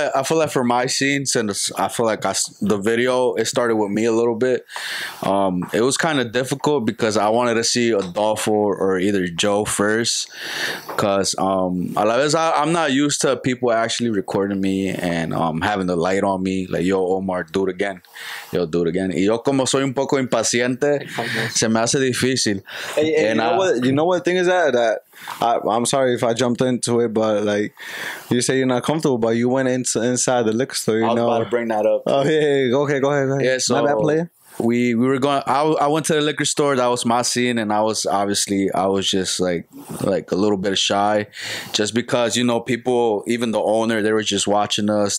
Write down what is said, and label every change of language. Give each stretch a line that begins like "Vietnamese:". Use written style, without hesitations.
English: I feel like for my scenes, and I feel like the video, it started with me a little bit. It was kind of difficult because I wanted to see Adolfo or either Joe first, because a lot of times I'm not used to people actually recording me and having the light on me. Like, yo, Omar, do it again. Yo, do it again.
Spanish: Y yo como soy un poco impaciente, se me hace difícil.
English: You know what the thing is I'm sorry if I jumped into it, but like you say, you're not comfortable, but you went inside the liquor store. I was about to bring that up. Oh yeah, go ahead. Yeah, so my bad, player. We were going. I went to the liquor store. That was my scene, and I was just like a little bit shy, just because, you know, people, even the owner, they were just watching us.